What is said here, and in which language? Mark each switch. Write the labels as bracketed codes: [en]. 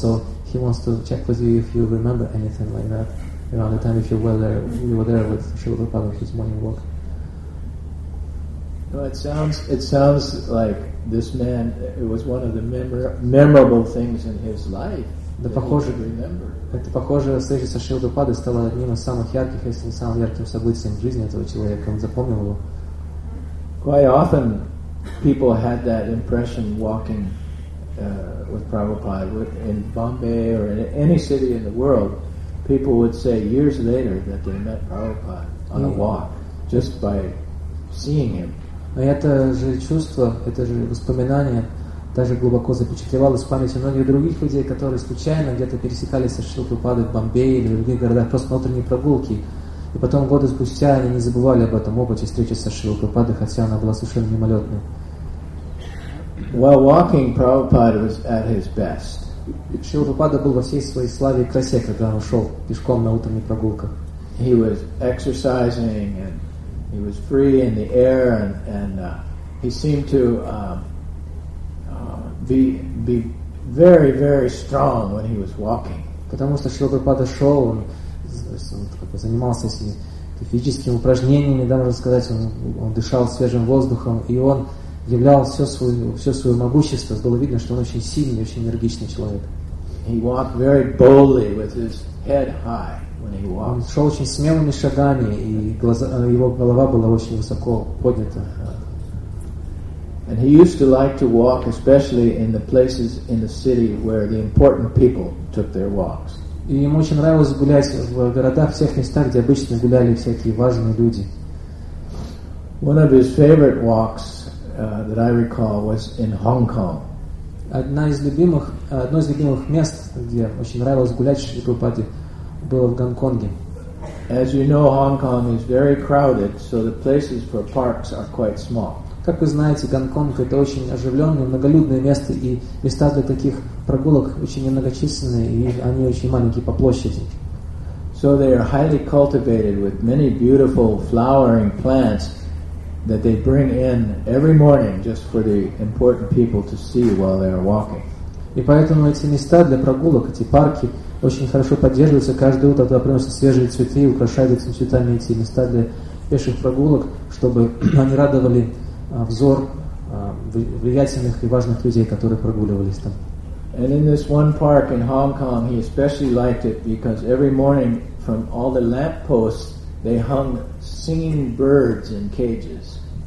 [en] So he wants to check with you if you remember anything like that around the time if you were there with Srila Prabhupada on his morning walk. No, it sounds like this man, it was one of the memorable things in his life that [ru] похоже, [en] he could remember. [ru] Это похоже, встреча со Шрилой Прабхупадой стала одним из самых ярких, если не самым ярким событием в жизни этого человека. Он запомнил его. [en] Quite often people had that impression walking with Prabhupada in Bombay or in any city in the world. People would say years later that they met Prabhupada on a walk just by seeing him. [ru] Но это же чувство, это же воспоминание даже глубоко запечатлевалось в памяти многих других людей, которые случайно где-то пересекались со Шрилой Прабхупадой в Бомбее или в других городах, просто на утренней прогулке. И потом, годы спустя, они не забывали об этом опыте встречи со Шрилой Прабхупадой, хотя она была совершенно мимолетной. [en] While walking, Prabhupada was at his best. [ru] Шрила Прабхупада был во всей своей славе и красе, когда он шел пешком на утренней прогулке. [en] He was exercising and he was free in the air, and he seemed to be very, very strong when he was walking. [ru] Потому что Шрила Прабхупада шел, он как бы занимался этими физическими упражнениями, да, можно сказать, он дышал свежим воздухом, и он являл все свое могущество. Было видно, что он очень сильный, очень энергичный человек. [en] He walked very boldly with his head high. When he walked. [ru] Он шел очень смелыми шагами, и его голова была очень высоко поднята. [en] And he used to like to walk, especially in the places in the city where the important people took their walks. [ru] И ему очень нравилось гулять в городах, всех местах, где обычно гуляли всякие важные люди. [en] One of his favorite walks that I recall was in Hong Kong. [ru] Одно из любимых мест, где очень нравилось гулять Шри Прабхупаде, было в Гонконге. [en] As you know, Hong Kong is very crowded, so the places for parks are quite small. [ru] Как вы знаете, Гонконг это очень оживленное, многолюдное место, и места для таких прогулок очень немногочисленные, и они очень маленькие по площади. [en] So they are highly cultivated with many beautiful flowering plants that they bring in every morning just for the important people to see while they are walking. [ru] И поэтому эти места для прогулок, эти парки, очень хорошо поддерживаются. Каждое утро туда приносят свежие цветы и украшают этими цветами эти места для пеших прогулок, чтобы они радовали взор влиятельных и важных людей, которые прогуливались там. [en] And in this one park in Hong Kong, he especially liked it because every morning from all the lampposts they hung singing birds in cages.